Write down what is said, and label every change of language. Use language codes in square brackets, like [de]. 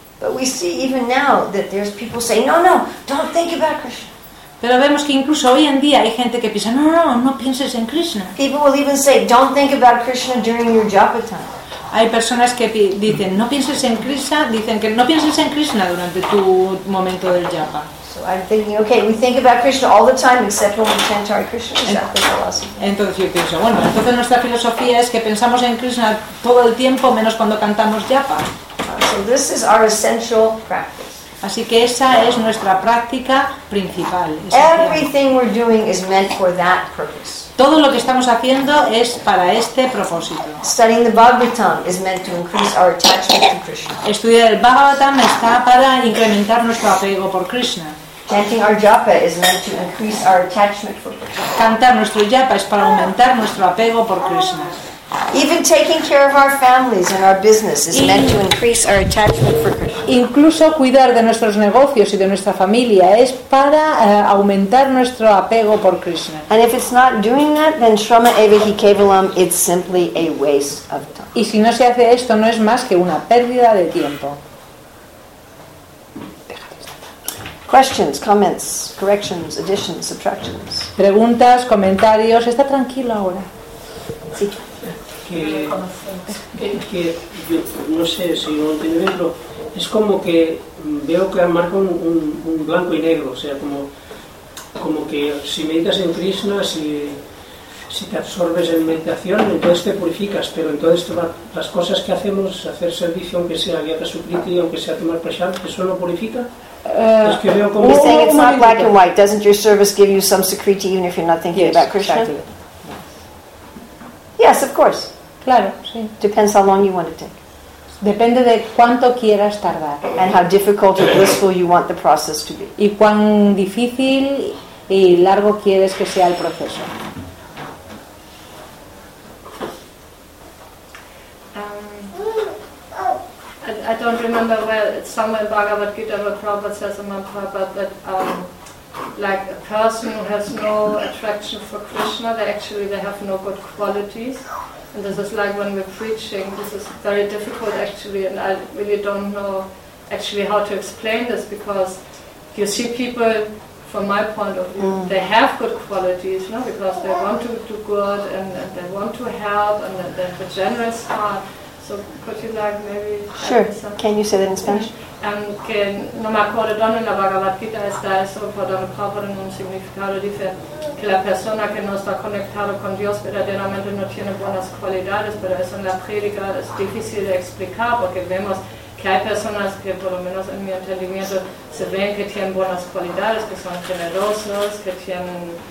[en] But we see even now that there's people saying, no, no, don't think about Krishna. [es] Pero vemos que incluso hoy en día hay gente que piensa, no, no, no pienses en Krishna. [en] People will even say, don't think about Krishna during your japa time. [es] Hay personas que dicen, no pienses en Krishna, dicen que no pienses en Krishna durante tu momento del japa. [en] So I'm thinking, okay, we think about Krishna all the time, except when we chant Hare Krishna. [es] Entonces yo pienso, bueno, entonces nuestra filosofía es que pensamos en Krishna todo el tiempo, menos cuando cantamos japa. [en] So this is our essential practice. [es] Así que esa es nuestra práctica principal. [en] Everything we're doing is meant for that purpose. [es] Todo lo que estamos haciendo es para este propósito. [en] Studying the Bhagavatam is meant to increase our attachment to Krishna. [es] Estudiar el Bhagavatam está para incrementar nuestro apego por Krishna. [en] Chanting our japa is meant to increase our attachment for Krishna. [es] Cantar nuestro japa es para aumentar nuestro apego por Krishna. [en] Even taking care of our families and our business is meant to increase our attachment for Krishna. [es] Incluso cuidar de nuestros negocios y de nuestra familia es para aumentar nuestro apego por Krishna. [en] And if it's not doing that, then [sa] Shrama Evihi Kevalam, [en] it's simply a waste of time. [es] Y si no se hace esto, no es más que una pérdida de tiempo. [en] Questions, comments, corrections, additions, subtractions. [es] Preguntas, comentarios. Está tranquilo ahora. Sí. Que yo no sé si lo entiendo bien, pero es como que veo que marco un blanco y negro, o sea, como que si meditas en Krishna, si te absorbes en meditación, entonces te purificas, pero entonces las cosas que hacemos, hacer servicio, aunque sea Gyata Sukriti, aunque sea tomar prasad, eso no purifica. [en] You're saying it's not black and white. Doesn't your service give you some Sukriti even if you're not thinking about Krishna? Exactly. Yes, of course. [es] Claro, sí. [en] Depends how long you want to take. [es] Depende de cuánto quieras tardar. [en] And how difficult or blissful you want the process to be. [es] Y cuán difícil y largo quieres que sea el proceso. [en] I don't remember where it's somewhere in Bhagavad Gita where Prabhupada says in my Prabhupada that like a person who has no attraction for Krishna, they have no good qualities. And this is like when we're preaching, this is very difficult actually, and I really don't know actually how to explain this, because you see people, from my point of view, they have good qualities, you know, because they want to do good and they want to help and they have a generous heart. So could you like maybe... Sure, can you say that in Spanish? [es] Que no me acuerdo dónde en la Bhagavad Gita está eso, pero donde Prabhupada en un significado dice que la persona que no está conectada con Dios verdaderamente no tiene buenas cualidades, pero eso en la prédica es difícil de explicar, porque vemos que hay personas que, por lo menos en mi entendimiento, se ven que tienen buenas cualidades, que son generosos, que tienen...